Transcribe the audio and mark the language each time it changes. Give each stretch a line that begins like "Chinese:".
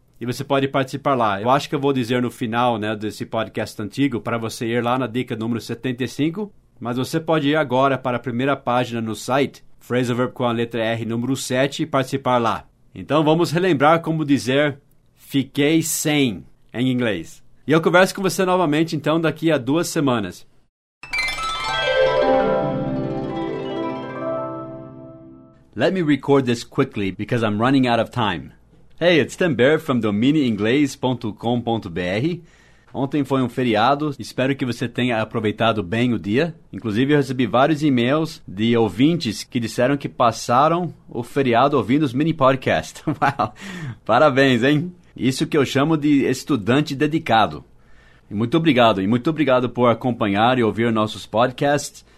Portuguese: e você pode participar lá. Eu acho que eu vou dizer no final, né, desse podcast antigo para você ir lá na dica número 75, mas você pode ir agora para a primeira página no site, Phrasal Verb com a letra R número 7 e participar lá. Então vamos relembrar como dizer fiquei sem em inglês. E eu converso com você novamente então daqui a 2 semanas.
English: Let me record this quickly because I'm running out of time. Hey, it's Tim Bear from domínioinglês.com.br.
Portuguese: Ontem foi um feriado, espero que você tenha aproveitado bem o dia. Inclusive, eu recebi vários e-mails de ouvintes que disseram que passaram o feriado ouvindo os mini-podcasts. Uau! Parabéns, hein? Isso que eu chamo de estudante dedicado. Muito obrigado, e muito obrigado por acompanhar e ouvir nossos podcasts.